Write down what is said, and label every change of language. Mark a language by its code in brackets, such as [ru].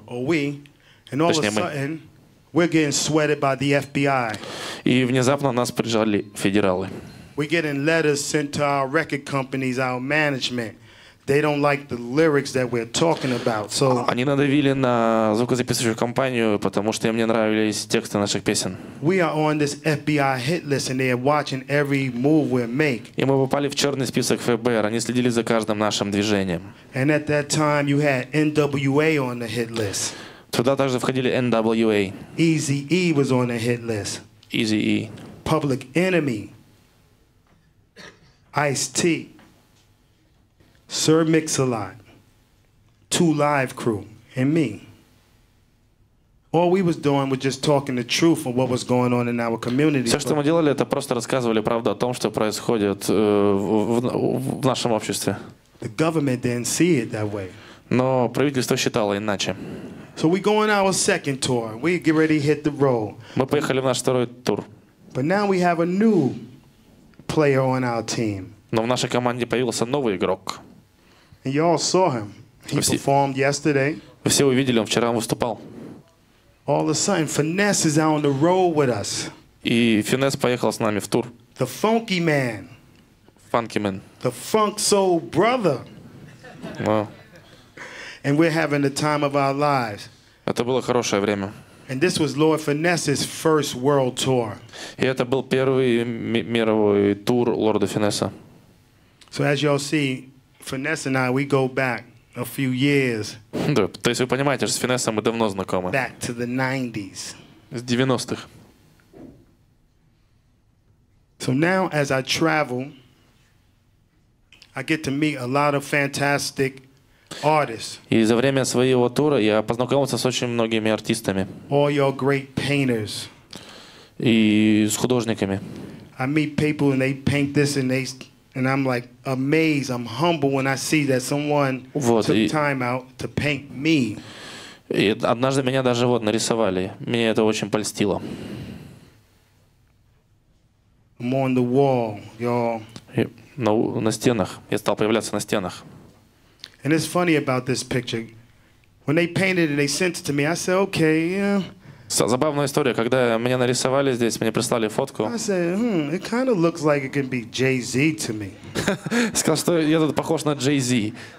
[en] Or we, and all of a sudden, we're getting sweated by the FBI. [ru] И внезапно нас прижали федералы. [en] We're getting letters sent to our record companies, our management. they don't like the lyrics that we're talking about. So [ru] они надавили на звукозаписывающую компанию, потому что им не нравились тексты наших песен. [en] We are on this FBI hit list and they are watching every move we make. [ru] И мы попали в черный список ФБР. Они следили за каждым нашим движением. [en] And at that time you had NWA on the hit list. [ru] Туда также входили NWA. [en] Eazy-E was on the hit list. Eazy-E. Public Enemy. Ice-T. Sir Mix-a-Lot, Two Live Crew, and me. All we was doing was just talking the truth of what was going on in our community. [ru] Все, что мы делали, это просто рассказывали правду о том, что происходит в нашем обществе. [en] The government didn't see it that way. [ru] Но правительство считало иначе. [en] So we go on our second tour. We get ready to hit the road. [ru] Мы поехали в наш второй тур. [en] But now we have a new player on our team. [ru] Но в нашей команде появился новый игрок. [en] And you all saw him. He performed yesterday. [ru] Вы все увидели, он вчера выступал. [en] All of a sudden, Finesse is out on the road with us. [ru] И Финес поехал с нами в тур. [en] The Funky Man. Funky Man. The Funk Soul Brother. Wow. And we're having the time of our lives. [ru] Это было хорошее время. [en] And this was Lord Finesse's first world tour. [ru] И это был первый мировой тур Лорда Финесса. [en] So as you all see, Finesse and I, we go back a few years. [ru] Да, то есть вы понимаете, что с Финессом мы давно знакомы. [en] Back to the 90s. [ru] С 90-х. [en] So now as I travel, I get to meet a lot of fantastic artists. [ru] И за время своего тура я познакомился с очень многими артистами. [en] All your great painters. [ru] И с художниками. [en] I meet people and they paint this and they... And I'm like amazed, I'm humble when I see that someone [ru] вот, [en] took time out to paint me. [ru] И однажды меня даже вот нарисовали. Мне это очень польстило. [en] I'm on the wall, y'all. [ru] На стенах. Я стал появляться на стенах. [en] And it's funny about this picture. When they painted it and they sent it to me, I said, okay, yeah. [ru] Забавная история, когда меня нарисовали здесь, мне прислали фотку. [en] I said, it kind of looks like it can be Jay-Z to me. [ru] Сказал, что я тут похож на Jay-Z.